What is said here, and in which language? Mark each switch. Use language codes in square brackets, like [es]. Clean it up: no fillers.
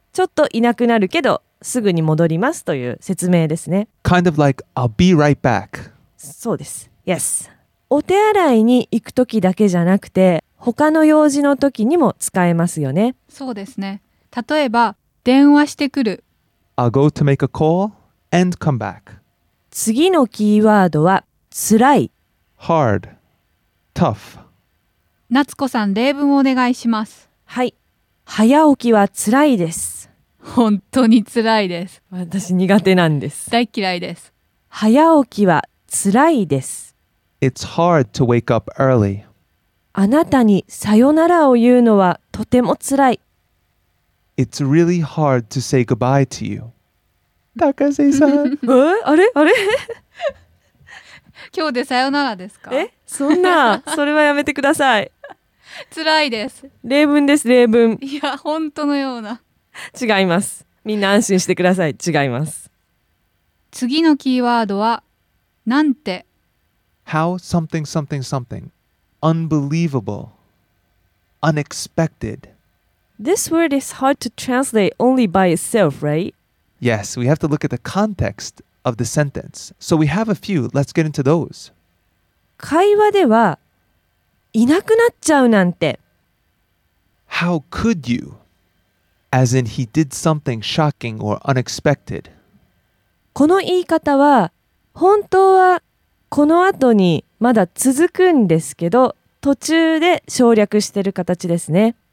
[ja] ちょっといなくなるけどすぐに戻りますという説明ですね。 [en] Kind of like I'll be right back. [ja] そうです、 [en] Yes。 [ja] お手洗いに行く時だけじゃなくて他の用事の時にも使えますよね。そうですね、例えば電話してくる、 [en] I'll go to make a call and come back。 [ja] 次のキーワードは辛い、 [en] hard、 tough。 [ja] 夏子さん、例文をお願いします。はい、早起きは辛いです。本当に辛いです。私苦手なんです。大嫌いです。早起きは辛いです。 [en] It's hard to wake up early。 [ja] あなたにさよならを言うのはとてもつらい。 [en] It's really hard to say goodbye to you. [ja] 高瀬さん。え、あれあれ今日でさよならですか？え、そんな、それはやめてください。つらいです。例文です、例文。いや、本当のような。違います。みんな安心してください。違います。次のキーワードは、なんて。 [en] How something something something. Unbelievable. Unexpected. This word is hard to translate only by itself, right? Yes, we have to look at the context of the sentence. So we have a few. Let's get into those. [ja] 会話ではいなくなっちゃうなんて。 [en] How could you? As in, he did something shocking or unexpected. [ja] この言い方は本当はこの後にまだ続くんですけど、途中で省略してる形ですね。